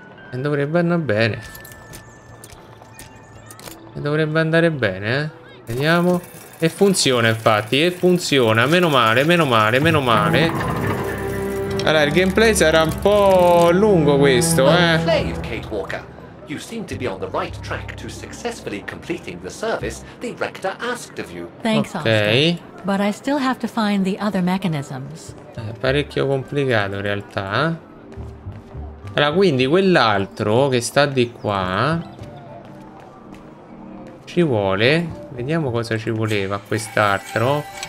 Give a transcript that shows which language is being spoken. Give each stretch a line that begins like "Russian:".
Italian: E dovrebbe andare bene. E dovrebbe andare bene, eh. Vediamo. E funziona, infatti. E funziona. Meno male, meno male, meno male. Allora, il gameplay sarà un po' lungo questo, Kate Walker.
English: You seem to be on the right track to successfully completing the service the rector asked of you. Thanks, Oscar. Okay. But I still have to find the other mechanisms.
Italian: È parecchio complicato in realtà. Allora, quindi quell'altro che sta di qua ci vuole. Vediamo cosa ci voleva quest'altro.